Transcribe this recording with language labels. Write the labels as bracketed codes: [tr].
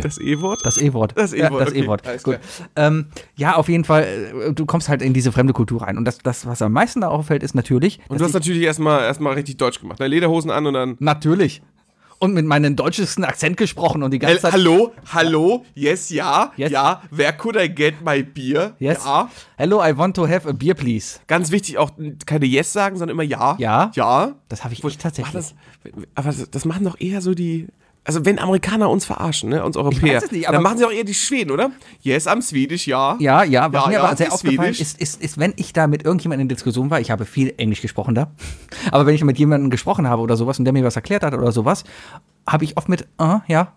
[de] Das E-Wort? Das E-Wort. Das E-Wort, ja, das okay. E-Wort. Alles gut. Ja, auf jeden Fall, du kommst halt in diese fremde Kultur rein. Und das was am meisten da auffällt, ist natürlich... Und du hast natürlich erstmal richtig deutsch gemacht. Deine Lederhosen an und dann... Natürlich. Und mit meinem deutschesten Akzent gesprochen und die ganze Zeit... Hallo, [en] yes, [de] ja, [en] yes. [de] Ja, [en] where could I get my beer? Yes. [de] Ja. [en] Hello, I want to have a beer, please. [de] Ganz wichtig, auch keine yes sagen, sondern immer ja. Ja? Ja. Das habe ich echt tatsächlich. Aber das machen doch eher so die... Also wenn Amerikaner uns verarschen, ne, uns Europäer, nicht, dann machen sie auch eher die Schweden, oder? [en] Yes, I'm Swedish, [de] ja. Ja, ja, was ja, mir ja, aber sehr aufgefallen ist, wenn ich da mit irgendjemandem in Diskussion war, ich habe viel Englisch gesprochen da, aber wenn ich mit jemandem gesprochen habe oder sowas und der mir was erklärt hat oder sowas, habe ich oft mit, ja.